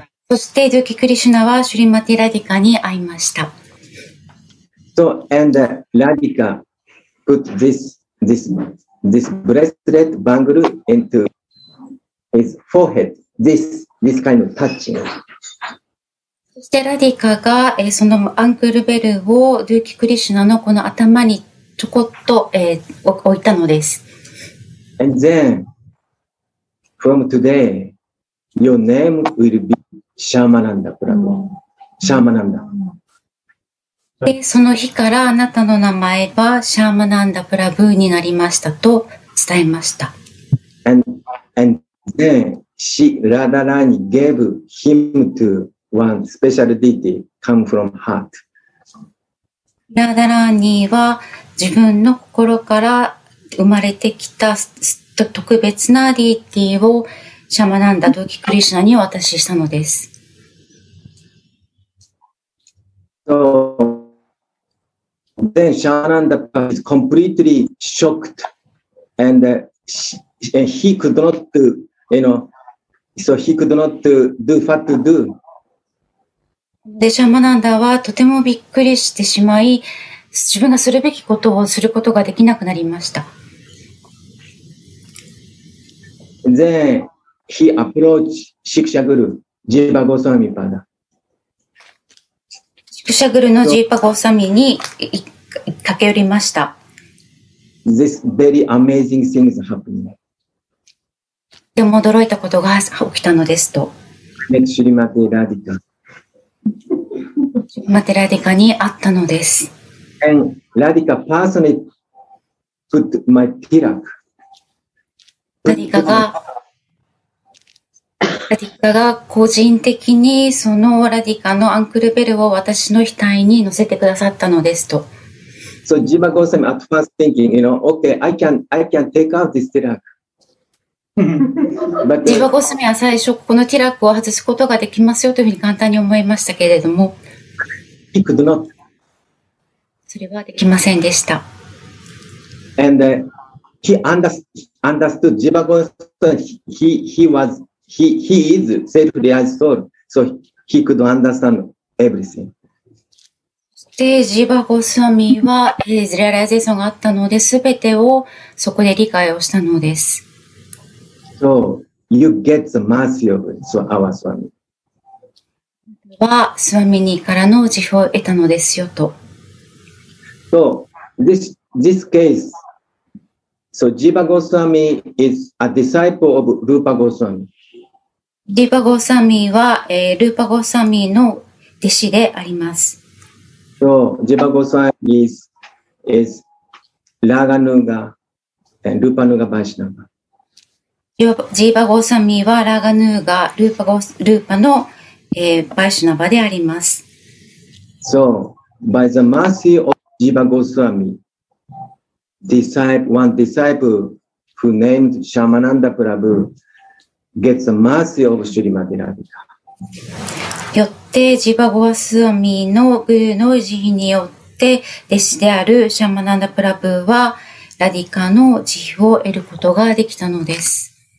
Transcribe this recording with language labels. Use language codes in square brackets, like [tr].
[ja] そしてドゥキ・クリシュナはシュリマティ・ラディカに会いました。 [en] So, and Radhika put this bracelet bangle into his forehead. This kind of touching. [ja] そしてラディカが、そのアンクルベルをドゥキ・クリシュナのこの頭にちょこっと、置いたのです。 [en] And then, from today, your name will be シャーマナンダ、プラブ。 [ja] シャーマナンダ。で、その日からあなたの名前はシャーマナンダ・プラブーになりましたと伝えました。 [en] And then she Radharani gave him to one special deity come from heart. [ja] ラダラーニーは自分の心から生まれてきた特別なディティをシャーマナンダ・ドゥキ・クリシュナにお渡ししたのです。 [en] So,Then Shananda was completely shocked and he could not, you know, so he could not do what to do. [ja] で、シャマナンダはとてもびっくりしてしまい、自分がするべきことをすることができなくなりました。 [en] Then he approached Shiksha Guru, Jiva Goswami Pada. [ja] Shiksha Guru のジーパゴサミに駆け寄りました。 [en] This very amazing thing is happening. [ja] とても驚いたことが起きたのですと。シリマティ・ラディカ。シリマティ・ラディカに会ったのです。 [en] And Radhika personally put my tilak. [ja] ラディカが個人的にそのラディカのアンクルベルを私の額に乗せてくださったのですと。 [en] So Jiva Goswami at first thinking, you know, okay, I can take out this tilak. But [ja] Jiva Goswami は最初このティラックを外すことができますよというふうに簡単に思いましたけれども、 [en] he could not. [ja] それはできませんでした。 [en] And he understood Jiva Goswami. He is self-realized soul. So he could understand everything. [ja] で、ジーバゴスワミは、リアライゼーションがあったので、すべてをそこで理解をしたのです。 [en] So, you get the mercy of our Swami. [ja] は、スワミニーからの慈悲を得たのですよと。 [en] So, this case, so, ジーバゴスワミ is a disciple of ルーパゴスワミ。 [ja] ジーバゴスワミは、ルーパゴスワミの弟子であります。 [en] So, Jiva Goswami is Raga Nuga and Rupa Nuga Vaishnava. [ja] Jiva Goswami は Raga Nuga, Rupa の Vaishnava であります。 [en] So, by the mercy of Jiva Goswami, one disciple who named Shamananda Prabhu gets the mercy of Srimati Radhika. [ja] よってジバゴスワミのグルーの慈悲によって弟子であるシャマナンダプラブーはラディカの慈悲を得ることができたのです。